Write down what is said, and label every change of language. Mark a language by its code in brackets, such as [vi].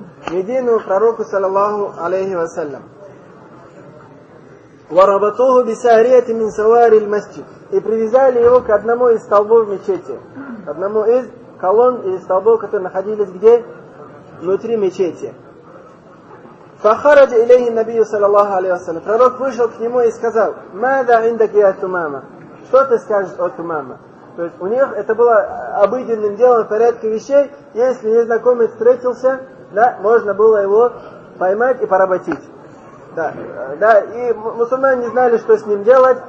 [ru] Медину пророку, саллаллаху алейхи вассалям. [ar] وربطوه بسارية من سوار المسجد. [ru] И привязали его к одному из столбов мечети. Одному из колонн или столбов, которые находились где? Внутри мечети. [ar] فخرج إليه النبي صلى الله عليه وسلم. [ru] Пророк вышел к нему и сказал: [ar] "Мада عندك يا تمامة?" [ru] Что ты скажешь о Тумама? То есть у них это было обыденным делом в порядке вещей. Если незнакомец встретился, да, можно было его поймать и поработить. Да, да, и мусульмане не знали, что с ним делать.